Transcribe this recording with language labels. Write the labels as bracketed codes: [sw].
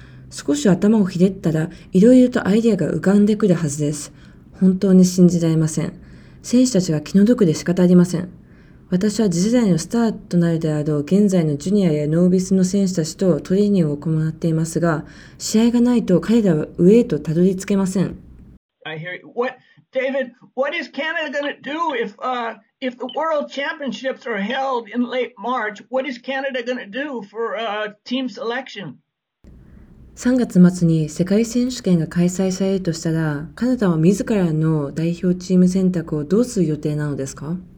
[ja] 少し頭をひねったらいろいろとアイデアが浮かんでくるはずです。本当に信じられません。選手たちが気の毒で仕方ありません。私は次世代のスターとなるであろう現在のジュニアやノービスの選手たちとトレーニングを行っていますが、試合がないと彼らは上へとたどり着けません。 [en] I hear you. What, David, what is Canada going to do if the World Championships are held in late March? What is Canada going to do for team selection? [ja] 3月末に世界選手権が開催されるとしたら、カナダは自らの代表チーム選択をどうする予定なのですか？